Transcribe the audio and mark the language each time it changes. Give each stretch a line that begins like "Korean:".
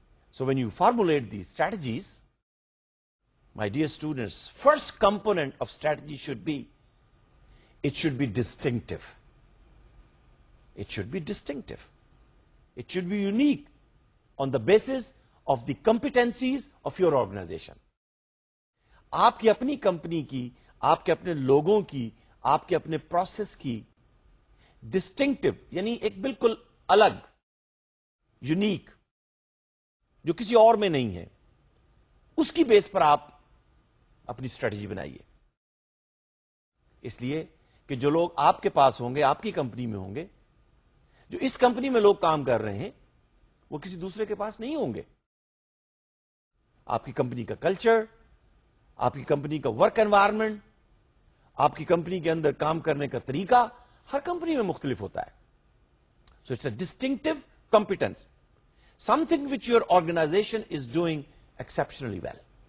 English: So when you formulate these strategies, my dear students, first component of strategy should be, it should be distinctive. It should be distinctive. It should be unique on the basis of the competencies of your organization.
Urdu: آپ کی اپنی company کی، آپ کے اپنے لوگوں کی، آپ کے اپنے پروسیس کی ڈسٹنکٹو، یعنی ایک بالکل الگ، یونیک، جو کسی اور میں نہیں ہے، اس کی بیس پر آپ اپنی اسٹریٹجی بنائیے. اس لیے کہ جو لوگ آپ کے پاس ہوں گے، آپ کی کمپنی میں ہوں گے، جو اس کمپنی میں لوگ کام کر رہے ہیں، وہ کسی دوسرے کے پاس نہیں ہوں گے. آپ کی کمپنی کا کلچر، آپ کی کمپنی کا ورک انوائرمنٹ، آپ کی کمپنی کے اندر کام کرنے کا طریقہ ہر کمپنی میں مختلف ہوتا ہے.
English: So it's a distinctive competence, something which your organisation is doing exceptionally well.